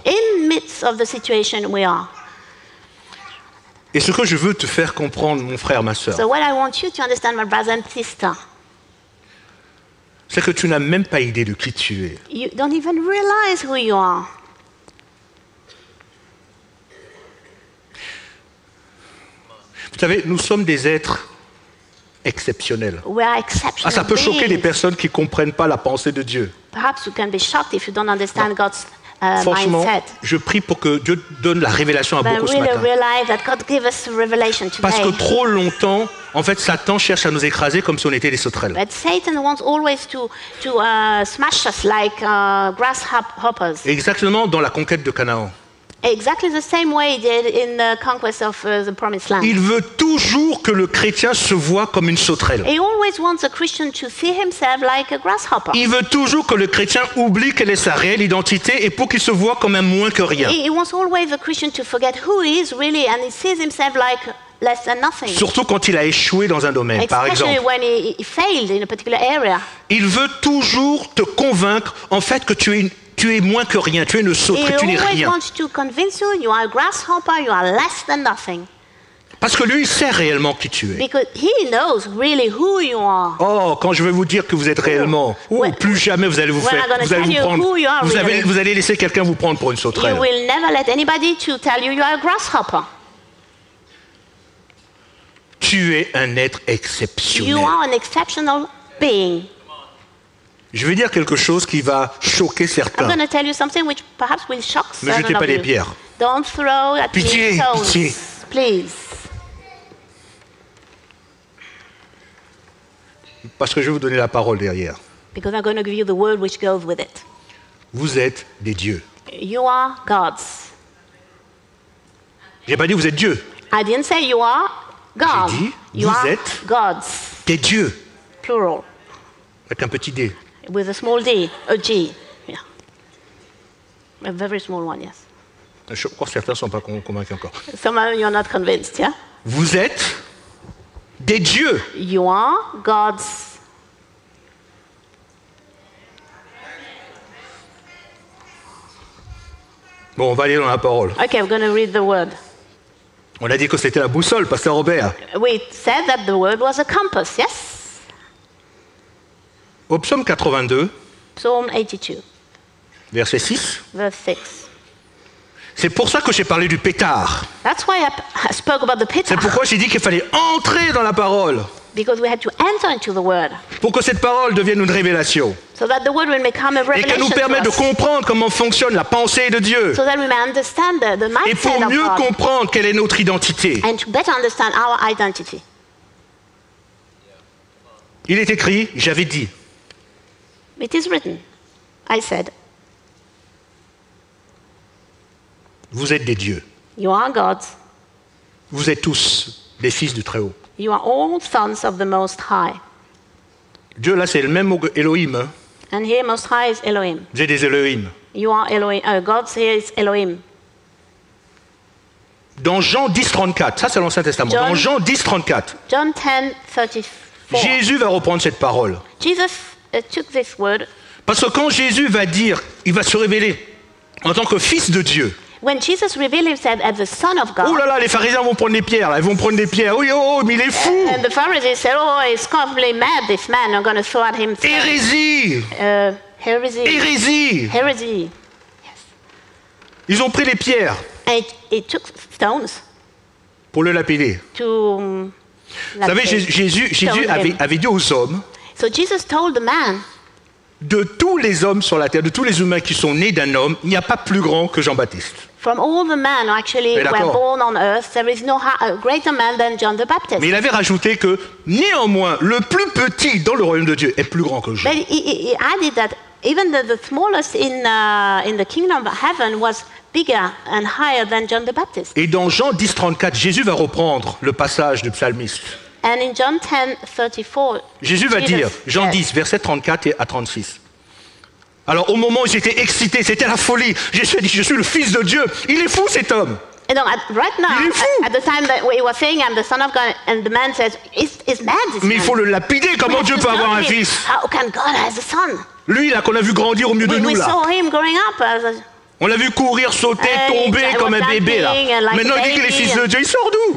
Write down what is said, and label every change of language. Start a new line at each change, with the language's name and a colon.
English: In midst of the situation we are.
French: Et ce que je veux te faire comprendre, mon frère, ma sœur.
English: So what I want you to understand, my brother and sister.
French: C'est que tu n'as même pas idée de qui tu es.
English: You don't even realize who you are.
French: Vous savez, nous sommes des êtres exceptionnels.
English: We are exceptional
French: ça peut
English: beings.
French: Choquer des personnes qui ne comprennent pas la pensée de Dieu.
English: Perhaps you can be shocked if you don't understand God's
French: franchement,
English: mindset.
French: Je prie pour que Dieu donne la révélation à
English: But
French: beaucoup
English: really
French: ce matin.
English: Realize that God give us revelation today.
French: Parce que trop longtemps, en fait, Satan cherche à nous écraser comme si on était des sauterelles.
English: But Satan wants always to smash us like grasshoppers.
French: Exactement dans la conquête de Canaan.
English: Exactly the same way he did in the conquest of the promised land.
French: Il veut toujours que le chrétien se voie comme une sauterelle.
English: He always wants a Christian to see himself like a grasshopper.
French: Il veut toujours que le chrétien oublie quelle est sa réelle identité et pour qu'il se voie comme un moins que rien.
English: He wants always a Christian to forget who he is really and he sees himself like less than nothing.
French: Surtout quand il a échoué dans un domaine,
English: Especially
French: par exemple.
English: When he failed in a particular area.
French: Il veut toujours te convaincre en fait que tu es une Tu es moins que rien, tu es une sauterelle, tu n'es rien.
English: He always wants to convince you are a grasshopper, you are less than nothing.
French: Parce que lui, il sait réellement qui tu es.
English: Because he knows really who you are.
French: Oh, quand je vais vous dire que vous êtes réellement, plus jamais vous allez vous faire, vous allez vous prendre, vous allez laisser quelqu'un vous prendre pour une sauterelle.
English: You will never let anybody to tell you are a grasshopper.
French: Tu es un être exceptionnel.
English: You are an exceptional being.
French: Je vais dire quelque chose qui va choquer certains.
English: I'm going to tell you something which perhaps will shock some of you.
French: Ne jetez pas des pierres.
English: Don't throw at
French: pitié,
English: me stones.
French: Pitié.
English: Please.
French: Parce que je vais vous donner la parole derrière.
English: Because I'm going to give you the word which goes with it.
French: Vous êtes des dieux.
English: You are gods.
French: J'ai pas dit vous êtes dieux.
English: I didn't say you are gods.
French: J'ai dit
English: you
French: vous
English: are
French: êtes
English: gods.
French: Des dieux.
English: Plural.
French: Avec un petit d.
English: With a small d, a g. Yeah. A very small one, yes.
French: Je crois que certains ne sont pas convaincus encore.
English: Some of you are not convinced, yeah?
French: Vous êtes des dieux.
English: You are gods.
French: Bon, on va aller dans la parole.
English: Okay, we're going to read the word.
French: On a dit que c'était la boussole, Pasteur Robert.
English: We said that the word was a compass, yes?
French: Au psaume 82,
English: Psalm 82,
French: verset 6,
English: verse 6.
French: C'est pour ça que j'ai parlé du pétard.
English: That's why I spoke about the pétard.
French: C'est pourquoi j'ai dit qu'il fallait entrer dans la parole.
English: Because we had to enter into the word.
French: Pour que cette parole devienne une révélation.
English: So that the word will become a revelation
French: et qu'elle nous permette de comprendre comment fonctionne la pensée de Dieu.
English: So that we may understand the mindset
French: et pour mieux
English: of God.
French: Comprendre quelle est notre identité.
English: And to better understand our identity.
French: Il est écrit, j'avais dit.
English: It is written, I said.
French: Vous êtes des dieux.
English: You are gods.
French: Vous êtes tous des fils du Très-Haut.
English: You are all sons of the Most High.
French: Dieu, là, c'est le même mot que Elohim. Hein?
English: And here, Most High is Elohim.
French: Vous êtes des Elohim.
English: You are Elohim. Gods here is Elohim.
French: Dans Jean 10, 34, ça c'est l'Ancien Testament. Dans Jean 10, 34.
English: John 10, 34.
French: Jésus va reprendre cette parole.
English: Jesus took this word.
French: Parce que quand Jésus va dire, il va se révéler en tant que fils de Dieu.
English: When Jesus revealed himself as the Son of God.
French: Oh là là, les pharisiens vont prendre des pierres. Ils vont prendre des pierres. Oh, oh, mais il est fou.
English: And the Pharisees said, oh, he's completely mad, this man. I'm going to throw at him.
French: Hérésie. Hérésie. Hérésie. Yes. Ils ont pris les pierres.
English: And he took stones.
French: Pour le lapider.
English: To.
French: Vous savez, Jésus avait dit aux hommes.
English: So Jesus told the man.
French: De tous les hommes sur la terre, de tous les humains qui sont nés d'un homme, il n'y a pas plus grand que Jean-Baptiste.
English: From all the men actually who were born on earth, there is no greater man than John the Baptist.
French: Mais il avait rajouté que néanmoins, le plus petit dans le royaume de Dieu est plus grand que Jean.
English: But he added that even the smallest in the kingdom of heaven was bigger and higher than John the Baptist.
French: Et dans Jean 10, 34, Jésus va reprendre le passage du psalmiste.
English: And in John 10, 34,
French: Jésus va Jesus, dire, Jean 10, verset 34 et à 36. Alors au moment où j'étais excité, c'était la folie. Jésus a dit, je suis le fils de Dieu. Il est fou cet homme.
English: And donc, right now,
French: il est fou.
English: At the time that he was saying, I'm the son of God, and the man says, he's mad.
French: Mais il faut le lapider, comment Dieu peut avoir un fils?
English: How can God have a son?
French: Lui là, qu'on a vu grandir au milieu de nous là.
English: We saw him growing up.
French: On l'a vu courir, sauter, tomber comme un bébé là.
English: Like
French: maintenant il dit qu'il est fils de Dieu. Il sort d'où?